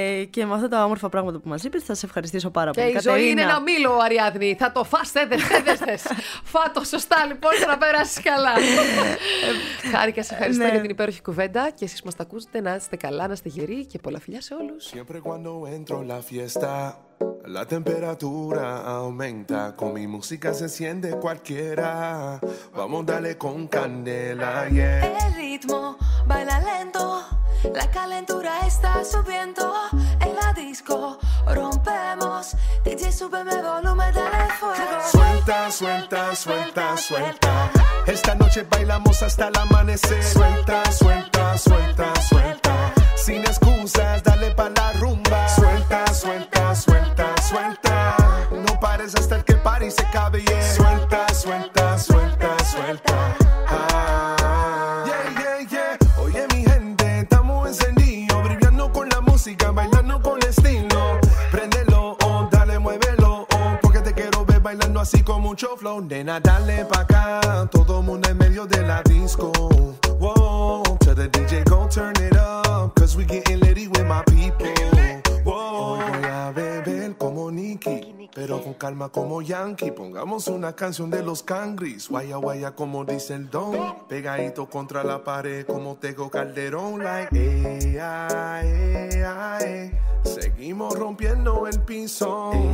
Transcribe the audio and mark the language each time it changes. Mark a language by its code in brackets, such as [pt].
[el] και με αυτά τα όμορφα πράγματα που μας είπες, θα σε ευχαριστήσω πάρα και πολύ. Και η Κατερίνα. Ζωή είναι ένα μήλο, Αριάδνη. Θα το φας, δεν θες. Φάτο, σωστά λοιπόν, να πέρασεις καλά. Χάρη και σε ευχαριστώ για την υπέροχη κουβέντα. Και εσείς μας τα ακούσετε, να είστε καλά, να είστε γεροί και πολλά φιλιά σε όλους. [es] Siempre cuando entro la fiesta, la temperatura aumenta. Con mi música se siente cualquiera. Vamos dale con candela, yeah. El ritmo baila lento, la calentura está subiendo. En la disco rompemos, DJ súbeme volumen, dale fuego. Suelta, suelta, suelta, suelta. Esta noche bailamos hasta el amanecer. Suelta, suelta, suelta, suelta. Sin excusas, dale pa' la rumba. Suelta, suelta, suelta, suelta. No pares hasta el que pare y se cabe, yeah. Suelta, suelta, suelta, suelta. Yeah, yeah, yeah. Oye, mi gente, estamos encendidos. Brillando con la música, bailando con estilo. Préndelo, oh, dale, muévelo, oh. Porque te quiero ver bailando así con mucho flow. Nena, dale pa' acá. Todo mundo en medio de la disco. [en] Whoa, to the DJ, go turn it up. We getting litty with my people. Whoa, oh, yeah, baby. [es] rebel como Nicki, pero con calma como Yankee. Pongamos una canción de los Cangris, guaya guaya como dice el Don. Pegadito contra la pared como Tego Calderón. Like, seguimos rompiendo el piso.